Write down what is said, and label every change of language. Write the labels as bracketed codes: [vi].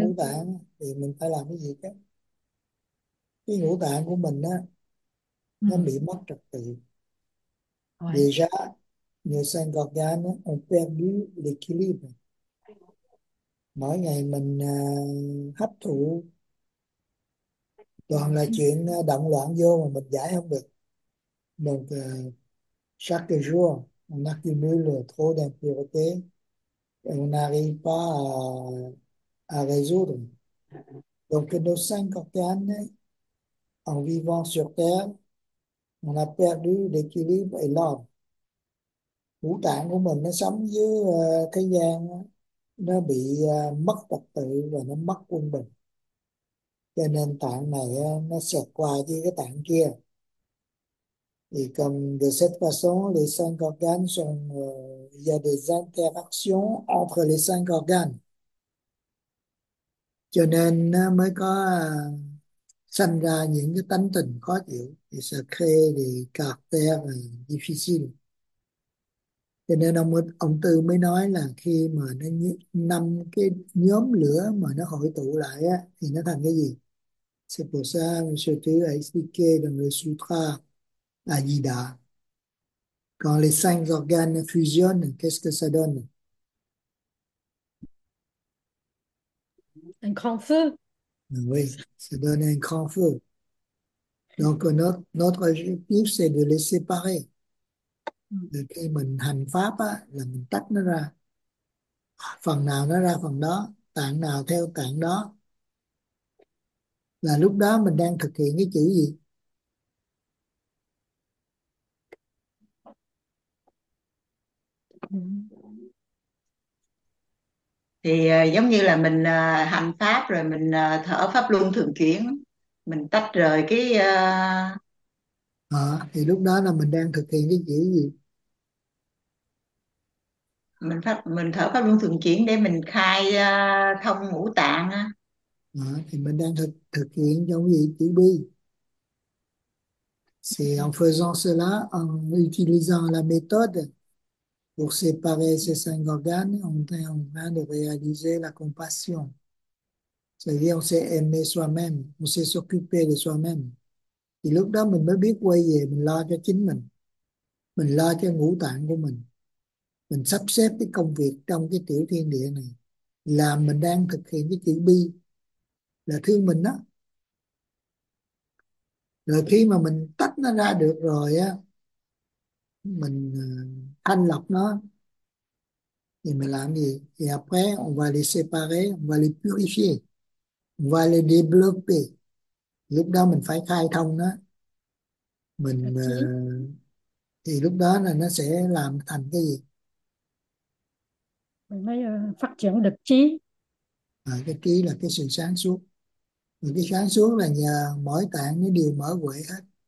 [vi] ngũ tạng thì mình phải làm cái gì chứ? Cái ngũ tạng của mình á, nó bị mất trật tự. [fr] ouais. Déjà, nos cinq organes ont perdu l'équilibre. [vi] Mỗi ngày mình hấp thụ toàn là chuyện động loạn vô mà mình giải không được. [fr] Donc, chaque jour, on accumule trop d'impuretés et on n'arrive pas à résoudre. Donc nos cinq organes en vivant sur Terre, on a perdu l'équilibre et l'ordre. [vi] Ngũ tạng của mình nó sống với thế gian, nó bị mất trật tự và nó mất quân bình. Cho nên tạng này nó xẹt qua với cái tạng kia. [fr] Thì comme de cette façon, les cinq organes sont... Il y a des interactions entre les cinq organes. [vi] Cho nên nó mới có sinh ra những cái tánh tình khó chịu. Thì sẽ khê thì [fr] caractère difficile. [vi] Cho nên ông Tư mới nói là khi mà nó năm cái nhóm lửa mà nó hội tụ lại á, thì nó thành cái gì? [fr] C'est pour ça, Monsieur Tư a expliqué dans le sutra à Ajida. Quand les cinq organes fusionnent, qu'est-ce que ça donne? Un grand feu. Oui, ça donne un grand feu. Donc, notre objectif, c'est de les séparer. [vi] Et khi mình hành pháp á, là mình tách nó ra. Phần nào nó ra phần đó, tạng nào theo tạng đó. Là lúc đó mình đang thực hiện cái chữ gì? Thì giống như là mình hành pháp rồi mình thở pháp luân thường chuyển, mình tách rời cái À, thì lúc đó là mình đang thực hiện cái chữ gì? mình thở pháp luân thường chuyển để mình khai thông ngũ tạng. À, thì mình đang thực hiện trong gì chữ bi. [fr] C'est en faisant cela, en utilisant la méthode pour séparer ces cinq organes, on est en train de réaliser la compassion. C'est-à-dire, on sait aimer soi-même, on sait s'occuper de soi-même. [vi] Thì lúc đó mình mới biết quay về mình lo cho chính mình lo cho ngũ tạng của mình sắp xếp cái công việc trong cái tiểu thiên địa này, là mình đang thực hiện cái chữ bi, là thương mình đó. Rồi khi mà mình tách nó ra được rồi á, mình thanh lọc nó, thì mình làm gì? [fr] Thì après on va les séparer, on va les purifier, on va les développer. [vi] Lúc đó mình phải khai thông nó, mình thì lúc đó là nó sẽ làm thành cái gì? Mình mới phát triển được trí. À, cái trí là cái sự sáng suốt, mình cái sáng suốt là nhờ mỗi tạng nó đều mở huệ hết.